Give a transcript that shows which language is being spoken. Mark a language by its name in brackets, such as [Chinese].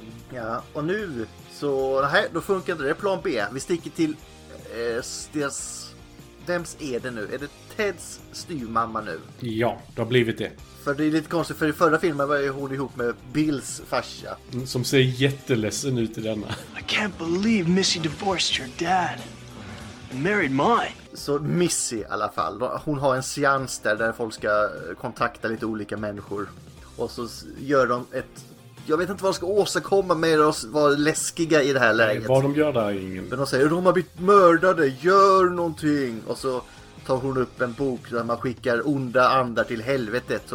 [Swedish] Ja, och nu så... Nej, då funkar inte det. Plan B. Vi sticker till... deras... Vems är det nu? Är det Teds styrmamma nu? Ja, det har blivit det. För det är lite konstigt, för i förra filmen var hon ihop med Bills farsa. Som ser jätteledsen ut i denna. [English] I can't believe Missy divorced your dad and married mine. [Swedish] Så Missy i alla fall. Hon har en seans där folk ska kontakta lite olika människor. Och så gör de ett... Jag vet inte vad de ska åstadkomma med oss, vara läskiga i det här läget. Nej, vad de gör där är ingen... Men de säger, de har blivit mördade, gör någonting! Och så tar hon upp en bok där man skickar onda andar till helvetet.